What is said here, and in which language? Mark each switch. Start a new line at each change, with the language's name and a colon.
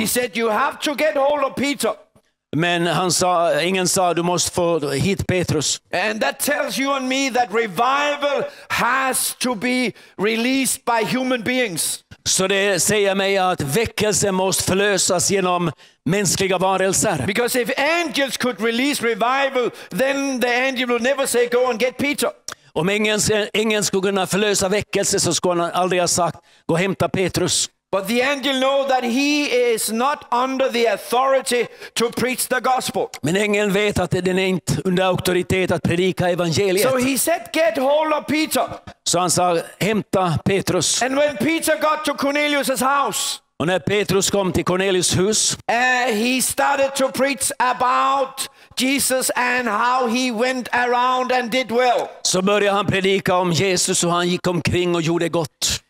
English: He said, "You have to get hold of Peter."
Swedish: Men ingen sa du måste få hit Petrus.
English: And that tells you and me that revival has to be released by human beings.
Swedish: Så det säger mig att väckelse måste förlösas genom mänskliga varelser.
English: Because if angels could release revival, then the angel would never say go and get Peter.
Swedish: Om ingen skulle kunna förlösa väckelse så skulle han aldrig ha sagt gå hämta Petrus.
English: But the angel know that he is not under the authority to preach the gospel.
Swedish: Men ängeln vet att den är inte under auktoritet att predika evangeliet.
English: So he said, "Get hold of Peter."
Swedish: Så han sa, hämta Petrus.
English: And when Peter got to Cornelius's house,
Swedish: och när Petrus kom till Cornelius hus,
English: he started to preach about Jesus and how he went around and did well.
Swedish: Så började han predika om Jesus och han gick omkring och gjorde gott.